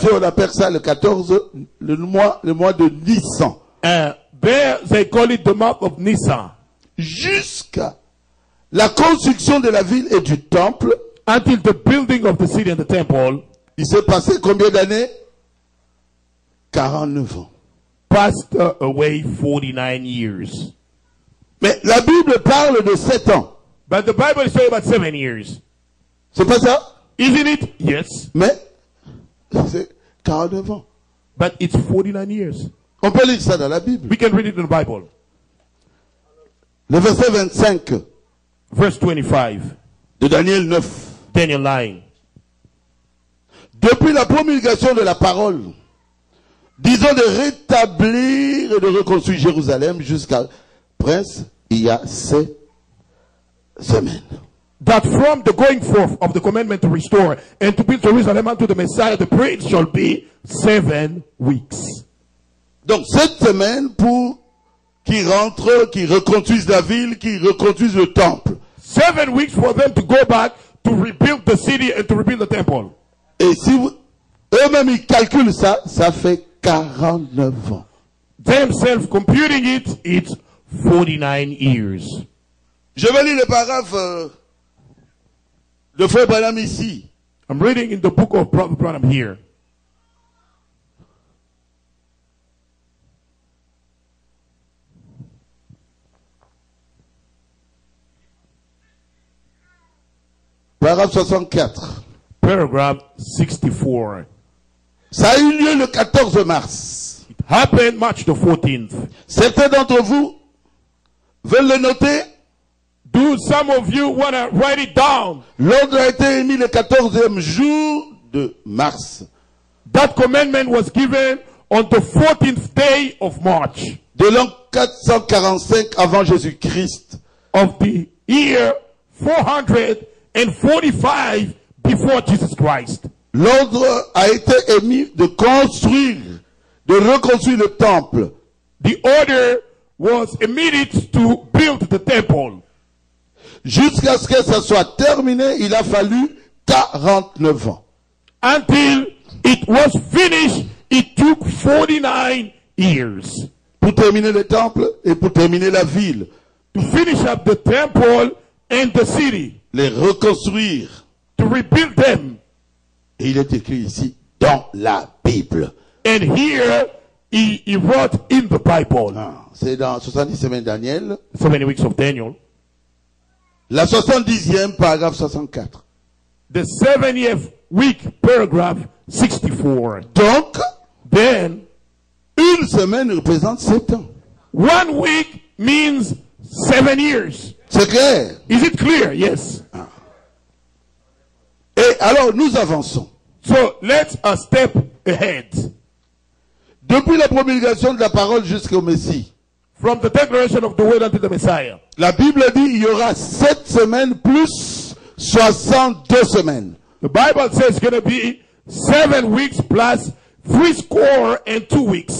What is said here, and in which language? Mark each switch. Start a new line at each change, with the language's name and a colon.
French: Jésus on appelle ça le 14 le mois de Nissan.
English: There they call it the month of Nissan.
French: Jusqu'à la construction de la ville et du temple.
English: Until the building of the city and the temple.
French: Il s'est passé combien d'années? 49 ans.
English: Passed away 49 years.
French: Mais la Bible parle de 7 ans.
English: But the Bible is talking about 7 years.
French: C'est pas ça?
English: Isn't it? Yes.
French: Mais c'est 49 ans.
English: But it's 49 years.
French: On peut lire ça dans la Bible.
English: We can read it in the Bible.
French: Le verset 25.
English: Verse 25.
French: De Daniel 9.
English: Daniel 9.
French: Depuis la promulgation de la parole, disant de rétablir et de reconstruire Jérusalem jusqu'à Prince, il y a 7 semaines.
English: That from the going forth of the commandment to restore and to build Jerusalem unto the Messiah, the prince shall be 7 weeks.
French: Donc, 7 semaines pour qu'ils rentrent, qu'ils reconstruisent la ville, qu'ils reconstruisent le temple.
English: 7 weeks for them to go back to rebuild the city and to rebuild the temple.
French: Et si vous, eux-mêmes ils calculent ça, ça fait 49 ans.
English: Themselves computing it, it's 49 years.
French: Je vais lire le paragraphe. Le frère Branham ici.
English: I'm reading in the book of Brother Branham here. Paragraph 64. Paragraph 64.
French: Ça a eu lieu le 14 mars.
English: It happened March the 14th.
French: Certains d'entre vous veulent le noter.
English: Do some of you want to write it down?
French: L'ordre a été émis le 14e jour de mars.
English: That commandment was given on the 14th day of March.
French: De l'an 445 avant Jésus-Christ.
English: Of the year 445 before Jesus Christ.
French: L'ordre a été émis de construire, de reconstruire le temple.
English: The order was emitted to build the temple.
French: Jusqu'à ce que ça soit terminé, il a fallu 49 ans.
English: Until it was finished, it took 49 years.
French: Pour terminer le temple et pour terminer la ville.
English: To finish up the temple and the city.
French: Les reconstruire.
English: To rebuild them.
French: Et il est écrit ici dans la Bible.
English: And here he wrote in the Bible.
French: Ah, c'est dans 70 semaines Daniel.
English: 70 weeks of Daniel.
French: La 70e, paragraphe 64.
English: The 70th week, paragraph 64.
French: Donc,
English: then,
French: une semaine représente 7 ans.
English: 1 week means 7 years.
French: C'est clair?
English: Is it clear? Yes.
French: Et alors nous avançons.
English: So let's a step ahead.
French: Depuis la promulgation de la parole jusqu'au Messie.
English: From the declaration of the word until the Messiah.
French: La Bible dit il y aura 7 semaines plus 62 semaines.
English: The Bible says it's going to be 7 weeks plus 3 score and 2 weeks.